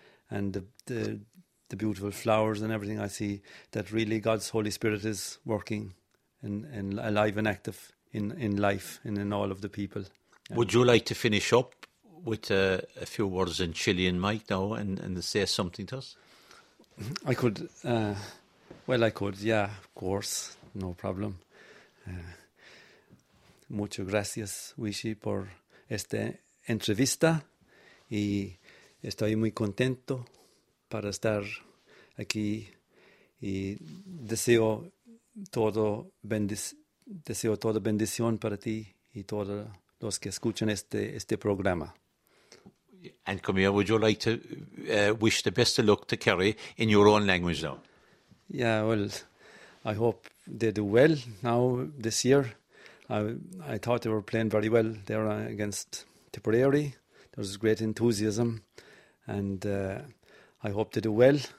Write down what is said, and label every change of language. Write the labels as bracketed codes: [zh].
[en] And the beautiful flowers and everything, I see that really God's Holy Spirit is working and alive and active in life and in all of the people. Yeah. Would you like to finish up with a few words in Chilean, Mike, now, and say something to us? I could. I could, yeah, of course, no problem. [es] Mucho gracias, Wishi, por esta entrevista y... Estoy muy contento para estar aquí y deseo toda bendición para ti y todos los que escuchan este programa. [en] And Camille, would you like to wish the best of luck to Kerry in your own language now? Yeah, well, I hope they do well now this year. I thought they were playing very well there against Tipperary. There was great enthusiasm. And I hope they do well.